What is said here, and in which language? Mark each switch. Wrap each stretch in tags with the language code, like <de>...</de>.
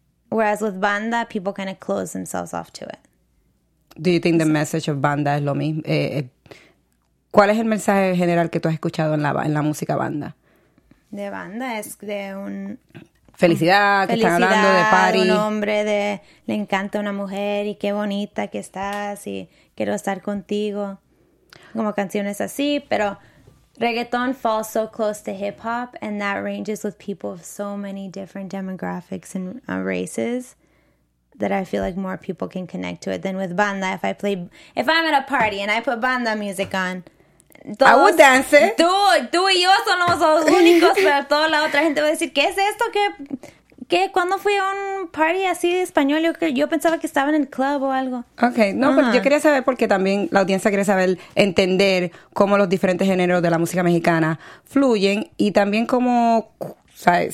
<en>Whereas with banda, people kind of close themselves off to it. Do you think the message of banda</en> <es>es lo mismo? ¿Cuál es el mensaje general que tú has escuchado en la música banda? De banda es de un... Felicidad, que felicidad, están hablando de party. Un hombre de... Le encanta una mujer y qué bonita que estás y quiero estar contigo. Como canciones así, pero...</es> <en>Reggaeton falls so close to hip-hop and that ranges with people of so many different demographics and races that I feel like more people can connect to it than with banda. If I'm at a party and I put banda music on... Todos, I would dance it.</en> <es>Tú y yo somos los únicos, pero toda la otra gente va a decir, ¿qué es esto? ¿Qué? ¿Cuándo fui a un party así de español? Yo pensaba que estaba en el club o algo. Okay, no, pero yo quería saber porque también la audiencia quiere saber, entender cómo los diferentes géneros de la música mexicana fluyen y también cómo, ¿sabes?</es>